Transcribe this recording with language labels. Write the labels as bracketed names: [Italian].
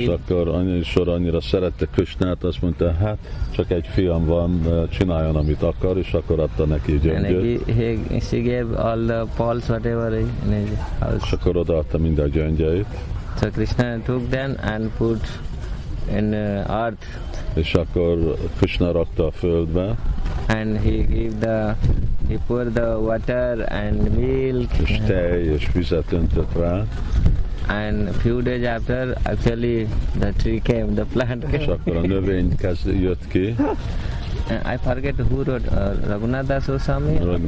[Hungarian] És akkor annyira szerette Krishnát, azt mondta, hát csak egy fiam van, csináljon, amit akar, és akkor adta neki gyöngyöt. [English] She gave all the pulse, whatever in his house. [Hungarian] És akkor odaadta mind a gyöngyeit. [English] So Krishna took them and put in earth. [Hungarian] És akkor Krishna rakta a földbe. [English] And he poured the water and milk. [Hungarian] És tej és vizet öntött rá. [English] And a few days after, actually, the tree came, the plant came. [Hungarian] És akkor a növény jött ki. [English] I forget who wrote Raghunath Das Goswami.